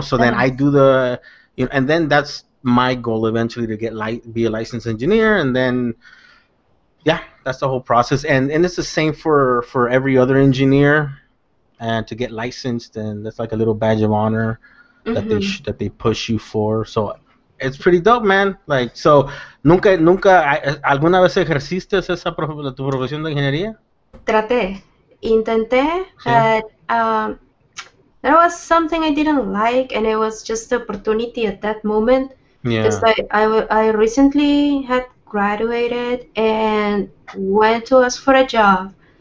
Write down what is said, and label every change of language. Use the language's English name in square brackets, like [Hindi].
[English] So then I do the. You know, and then that's my goal eventually to get be a licensed engineer, and then. Yeah, that's the whole process, and it's the same for every other engineer, and to get licensed, and that's like a little badge of honor mm-hmm. that they push you for. So it's pretty dope, man. Like, so [Spanish] nunca alguna vez ejerciste esa tu profesión de ingeniería? Intenté, [English] but there was something I didn't like, and it was just the opportunity at that moment. Yeah. Because I recently had. Graduated and went to ask for a job.